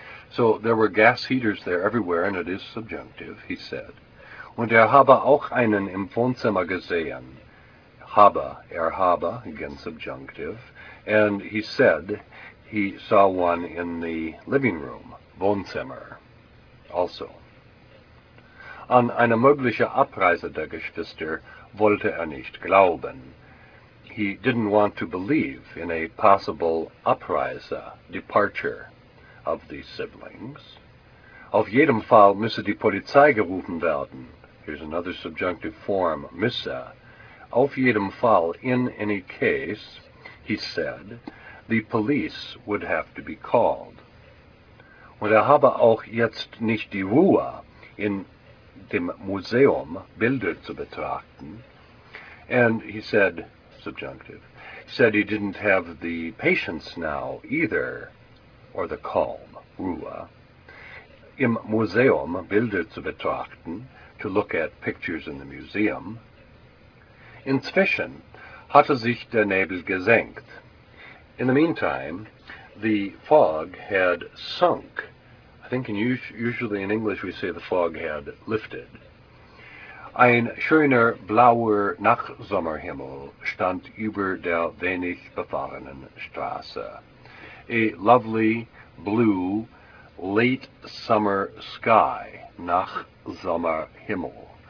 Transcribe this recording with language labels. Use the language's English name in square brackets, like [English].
[English] So there were gas heaters there everywhere, and it is subjunctive, he said. [German] Und habe auch einen im Wohnzimmer gesehen. Habe, habe, [English] again subjunctive. And he said he saw one in the living room, Wohnzimmer, also. [German] An eine mögliche Abreise der Geschwister wollte nicht glauben. [English] He didn't want to believe in a possible Abreise, departure, of the siblings. [German] Auf jedem Fall müsse die Polizei gerufen werden. [English] Here's another subjunctive form, müsse. [German] Auf jedem Fall, [English] in any case, he said, the police would have to be called. [German] Und habe auch jetzt nicht die Ruhe, in dem Museum Bilder zu betrachten. [English] And he said, subjunctive, said he didn't have the patience now either, or the calm, Ruhe, [German] im Museum Bilder zu betrachten, [English] to look at pictures in the museum. [German] Inzwischen hatte sich der Nebel gesenkt. [English] In the meantime, the fog had sunk. I think usually in English we say the fog had lifted. [German] Ein schöner blauer Nachtsommerhimmel stand über der wenig befahrenen Straße. [English] A lovely blue, late summer sky, Nachsommerhimmel.